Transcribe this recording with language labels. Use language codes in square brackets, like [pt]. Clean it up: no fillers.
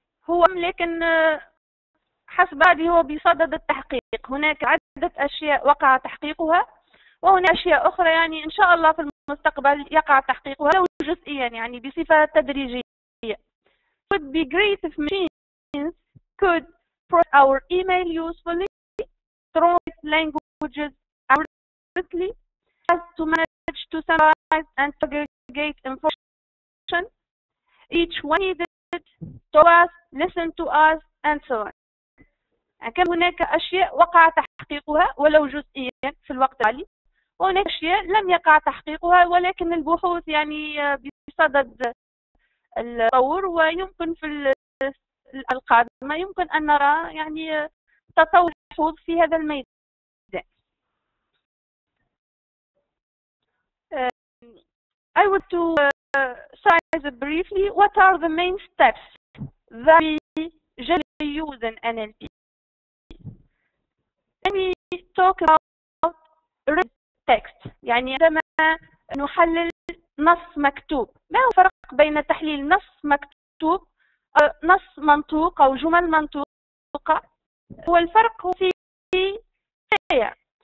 [ar] هو لكن حسب هذه هو بصدد التحقيق. هناك عدة أشياء وقع تحقيقها وهناك أشياء أخرى يعني إن شاء الله في المستقبل يقع تحقيقها لو جزئيا يعني بصفة تدريجية. [en] It would be great if machines could process our email usefully, translate languages accurately, as to manage to summarize and aggregate information, each one needed to us, listen to us, and so on. [ar] يعني كان هناك أشياء وقع تحقيقها ولو جزئيا في الوقت الحالي، وهناك أشياء لم يقع تحقيقها ولكن البحوث يعني بصدد التطور ويمكن في القادمة يمكن أن نرى يعني تطور البحوث في هذا الميدان. [en] I want to summarize briefly what are the main steps that we generally use in NLP. Let me talk about read text. [ar] يعني عندما نحلل نص مكتوب. ما هو الفرق بين تحليل نص مكتوب نص منطوق أو جمل منطوقة؟ هو الفرق في فيا.